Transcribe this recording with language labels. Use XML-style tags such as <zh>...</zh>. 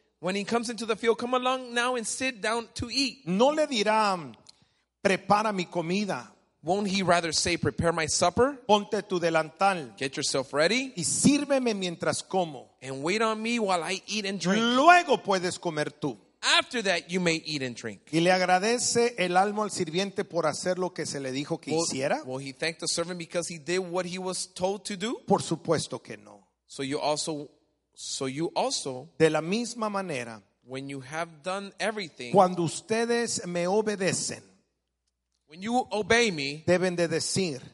<en>When he comes into the field, come along now and sit down to eat.</en> <es>No le dirá, prepara mi comida.</es> <en>Won't he rather say, prepare my supper?</en> <es>Ponte tu delantal.</es> <en>Get yourself ready.</en> <es>Y sírveme mientras como.</es> <en>And wait on me while I eat and drink.</en> <es>Luego puedes comer tú.</es> <en>After that, you may eat and drink.</en> <es>¿Y le agradece el alma al sirviente por hacer lo que se le dijo que hiciera?</es> <en>Will he thank the servant because he did what he was told to do?</en> <es>Por supuesto que no.</es> <en>So you also,</en> <es>de la misma manera,</es> <en>when you have done everything,</en> <es>cuando ustedes me obedecen,</es> <en>when you obey me,</en> <es>deben de decir,</es>